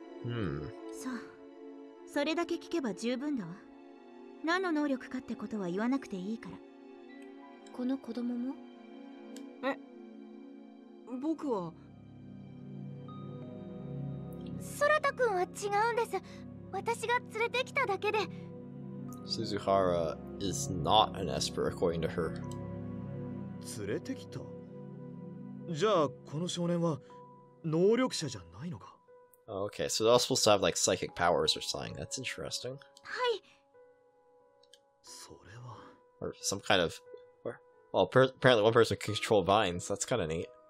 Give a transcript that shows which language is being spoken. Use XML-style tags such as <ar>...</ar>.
<ja>So, それだけ聞けば十分だわ。何の能力かってことは言わなくていいから。この子供も僕は… ソラタ君は違うんです。私が連れてきただけで。</ja> <en>スズハラ is not an Esper according to her.</en> <ja>連れてきた。じゃあこの少年は能力者じゃないのか。</ja> <en>Okay, so they're all supposed to have like psychic powers or something. That's interesting.</en> <ja>はい。それは。</ja> <en>Or some kind of. Well, apparently one person can control vines. That's kind of neat.</en>